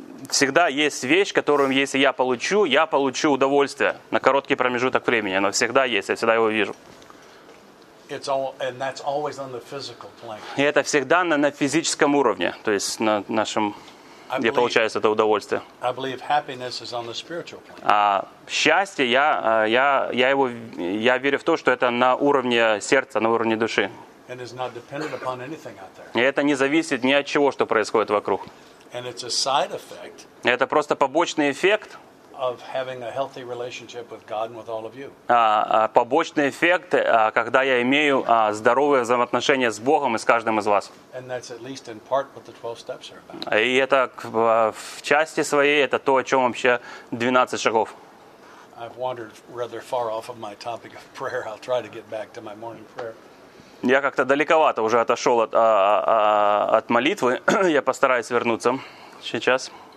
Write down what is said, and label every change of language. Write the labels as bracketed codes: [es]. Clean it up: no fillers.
[ru] Всегда есть вещь, которую, если я получу удовольствие на короткий промежуток времени. Оно всегда есть, я всегда его вижу. [en] And that's always on the physical plane. [ru] И это всегда на физическом уровне, то есть на нашем, где получается это удовольствие. [en] I believe happiness is on the spiritual plane. [ru] Счастье, я верю в то, что это на уровне сердца, на уровне души. [en] And is not dependent upon anything out there. [ru] И это не зависит ни от чего, что происходит вокруг. [en] And it's a side effect. [ru] Это просто побочный эффект [en] of having a healthy relationship with God and with all of you. [ru] Побочный эффект, когда я имею здоровые взаимоотношения с Богом и с каждым из вас. [en] And that's at least in part what the 12 steps are about. [ru] И это в части своей это то, о чём вообще 12 шагов. [en] I've wandered rather far off of my topic of prayer. I'll try to get back to my morning prayer. [ru] Я как-то далековато уже отошел от молитвы. Я постараюсь вернуться сейчас.